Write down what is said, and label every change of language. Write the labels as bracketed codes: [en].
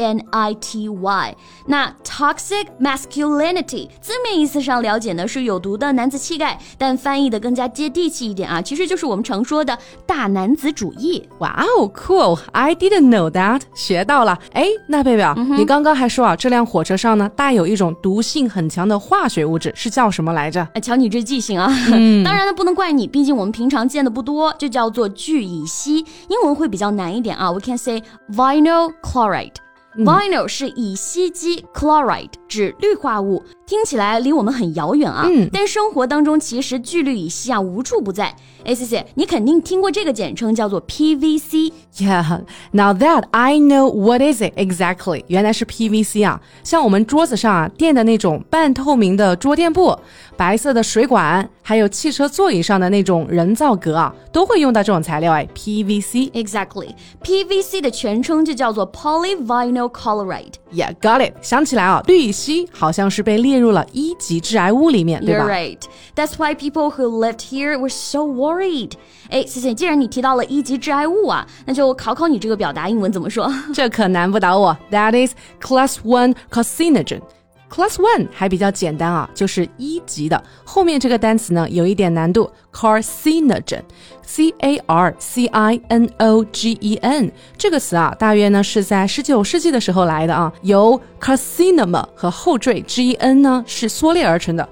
[zh] M-A-S-C-U-L-I-N-I-T-Y 那 Toxic Masculinity 字面意思上了解呢是有毒的男子气概，但翻译的更加接地气一点啊，其实就是我们常说的大男子主义。 [en] Wow, cool, I didn't know that. [zh] 学到了。哎，那贝贝、嗯、你刚刚还说啊，这辆火车上呢带有一种毒性很强的化学物质，是叫什么来着？瞧你这记性啊、嗯、当然呢不能怪你，毕竟我们平常见的不多，就叫做聚乙烯，英文会比较难一点啊。 [en] We can say vinyl chloride. [zh] Vinyl 是乙烯基 ，chloride 指氯化物，听起来离我们很遥远啊。嗯、但生活当中其实聚氯乙烯啊无处不在。哎，谢谢，你肯定听过这个简称叫做 PVC。 [en] Yeah, now that I know what is it exactly. [zh] 原来是 PVC 啊，像我们桌子上啊垫的那种半透明的桌垫布。白色的水管还有汽车座椅上的那种人造革、啊、都会用到这种材料、哎、PVC [en] Exactly [zh] PVC 的全称就叫做 Polyvinyl Chloride [en] Yeah, got it [zh] 想起来啊，氯乙烯好像是被列入了一级致癌物里面对吧 [en] You're right That's why people who lived here were so worried [zh] 哎，谢谢既然你提到了一级致癌物啊，那就考考你这个表达英文怎么说这可难不倒我 [en] That is Class 1 Carcinogen [zh] Class 1还比较简单啊，就是一级的。后面这个单词呢，有一点难度。 Carcinogen, C-A-R-C-I-N-O-G-E-N 这个词啊，大约呢是在19世纪的时候来的啊，由 carcinoma 和后缀 G-E-N 呢是缩略而成的。